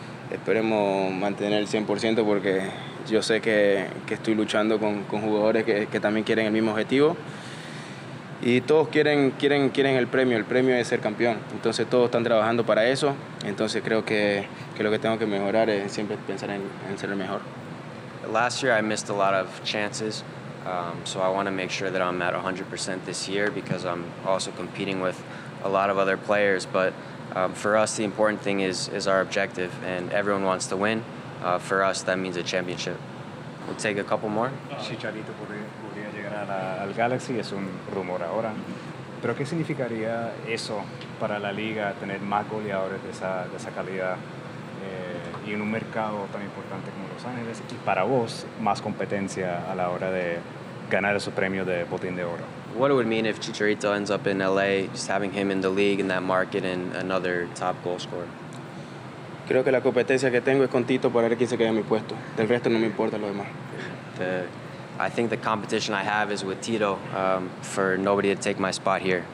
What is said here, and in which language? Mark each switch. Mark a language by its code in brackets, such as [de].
[es] Esperemos mantener el 100% porque yo sé que estoy luchando con jugadores que también quieren el mismo objetivo. Y todos quieren el premio. El premio es ser campeón. Entonces todos están trabajando para eso. Entonces creo que lo que tengo que mejorar es siempre pensar en ser el mejor. [en] Last year I missed a lot of chances, so I want to make sure that I'm at 100% this year because I'm also competing with a lot of other players. But for us, the important thing is our objective, and everyone wants to win. For us, that means a championship. We'll take a couple more. [es] Chicharito podría llegar al Galaxy, es un rumor ahora. Pero ¿qué significaría eso para la liga, tener más goleadores de esa calidad? Y en un mercado tan importante como Los Ángeles, y para vos, más competencia a la hora de ganar esos premios de Botín de Oro. [en] What it would mean if Chicharito ends up in LA, just having him in the league, in that market, and another top goal scorer? [es] Creo que la competencia que tengo es con Tito para ver quién se queda en mi puesto. Del resto no me importa lo demás. [en] I think the competition I have is with Tito, for nobody to take my spot here.